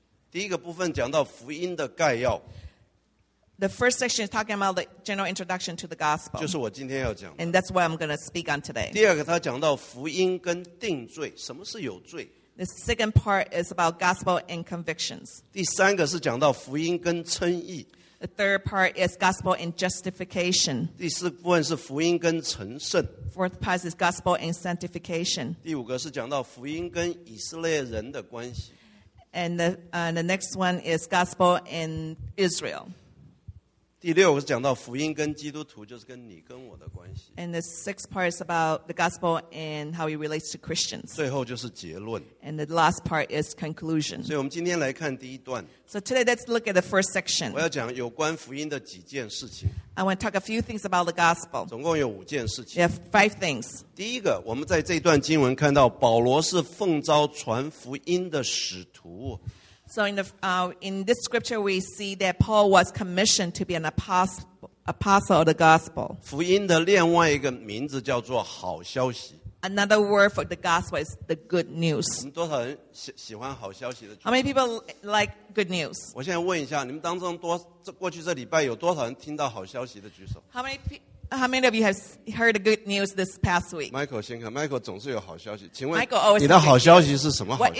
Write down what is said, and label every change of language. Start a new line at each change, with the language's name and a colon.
Chinese: 第一个部分讲到福音的概要。
English: The first section is talking about the general introduction to the gospel.
Chinese: 就是我今天要讲的。
English: And that's what I'm going to speak on today.
Chinese: 第二个它讲到福音跟定罪，什么是有罪。
English: The second part is about gospel and convictions.
Chinese: 第三个是讲到福音跟称义。
English: The third part is gospel and justification.
Chinese: 第四部分是福音跟成圣。
English: Fourth part is gospel and sanctification.
Chinese: 第五个是讲到福音跟以色列人的关系。
English: And the next one is gospel and Israel.
Chinese: 第六个是讲到福音跟基督徒, 就是跟你跟我的关系。
English: And the sixth part is about the gospel and how it relates to Christians.
Chinese: 最后就是结论。
English: And the last part is conclusion.
Chinese: 所以我们今天来看第一段。
English: So today, let's look at the first section.
Chinese: 我要讲有关福音的几件事情。
English: I want to talk a few things about the gospel.
Chinese: 总共有五件事情。
English: We have five things.
Chinese: 第一个, 我们在这段经文看到, 保罗是奉召传福音的使徒。
English: So in this scripture, we see that Paul was commissioned to be an apostle of the gospel.
Chinese: 福音的另外一个名字叫做好消息。
English: Another word for the gospel is the good news.
Chinese: 我们多少人喜欢好消息的传道。
English: How many people like good news?
Chinese: 我现在问一下, 你们当中多, 过去这礼拜有多少人听到好消息的举手?
English: How many of you have heard the good news this past week?
Chinese: Michael先看, Michael总是有好消息。请问,
English: Michael always
Chinese: 你的好消息是什么好消息?